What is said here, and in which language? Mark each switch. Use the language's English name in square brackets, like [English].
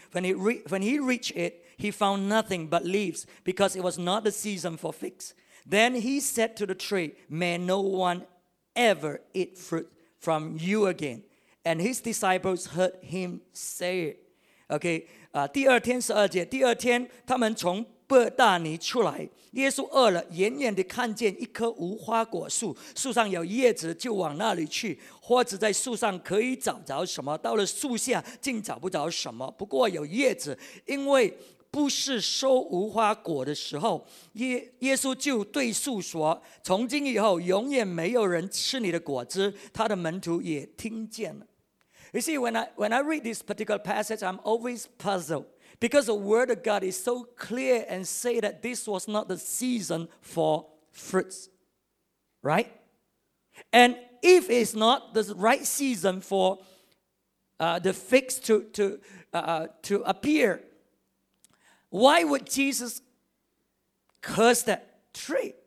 [English] When he reached it, he found nothing but leaves, because it was not the season for figs. Then he said to the tree, "May no one ever eat fruit from you again." And his disciples heard him say it. [Chinese] Okay, 第二天十二节，第二天他们从伯大尼出来，耶稣饿了，远远地看见一棵无花果树，树上有叶子，就往那里去；或者在树上可以找着什么，到了树下竟找不着什么。不过有叶子，因为不是收无花果的时候，耶稣就对树说：“从今以后，永远没有人吃你的果子。”他的门徒也听见了。 [English] You see, when I read this particular passage, I'm always puzzled because the Word of God is so clear and say that this was not the season for fruits, right? And if it's not the right season for the figs to appear, why would Jesus curse that tree?